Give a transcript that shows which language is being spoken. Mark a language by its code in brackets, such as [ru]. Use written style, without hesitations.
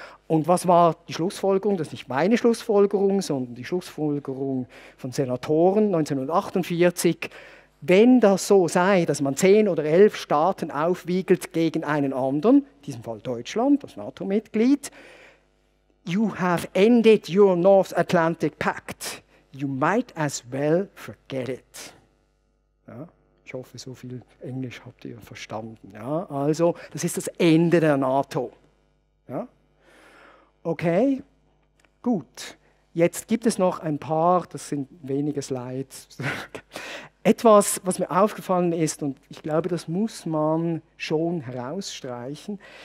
[de] Und was war die Schlussfolgerung? Das ist nicht meine Schlussfolgerung, sondern die Schlussfolgerung von Senatoren 1948. Wenn das so sei, dass man 10 oder 11 Staaten aufwiegelt gegen einen anderen, in diesem Fall Deutschland, das NATO-Mitglied, [en] you have ended your North Atlantic Pact. You might as well forget it. [de] Ja, ich hoffe, so viel Englisch habt ihr verstanden. Ja, also, das ist das Ende der NATO. Ja? Okay, gut. Jetzt gibt es noch ein paar, das sind wenige Slides. Etwas, was mir aufgefallen ist, und ich glaube, das muss man schon herausstreichen.